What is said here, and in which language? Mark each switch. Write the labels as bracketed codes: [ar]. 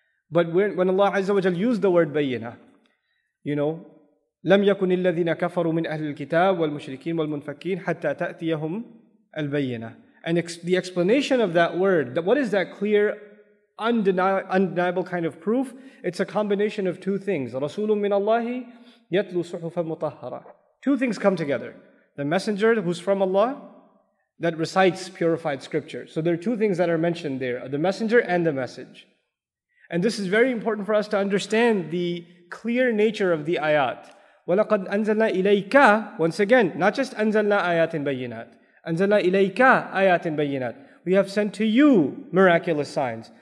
[en] But when Allah Azza wa Jal used the word bayyina, you know, [ar] لَمْ يَكُنِ الَّذِينَ كَفَرُوا مِنْ أَهْلِ الْكِتَابِ وَالْمُشْرِكِينَ وَالْمُنْفَكِينَ حَتَّى تَأْتِيَهُمْ الْبَيِّنَةِ [en] And the explanation of that word, what is that clear, undeniable kind of proof? It's a combination of two things. [ar] رَسُولٌ مِّنَ اللَّهِ يَتْلُو صُحُفًا مُطَهَّرًا [en] Two things come together. The messenger who's from Allah that recites purified scripture. So there are two things that are mentioned there, the messenger and the message. And this is very important for us to understand the clear nature of the ayat. [ar] وَلَقَدْ أَنزَلْنَا إِلَيْكَ [en] Once again, not just [ar] أَنزَلْنَا آيَاتٍ بَيِّنَاتٍ أَنزَلْنَا إِلَيْكَ آيَاتٍ بَيِّنَاتٍ [en] We have sent to you miraculous signs.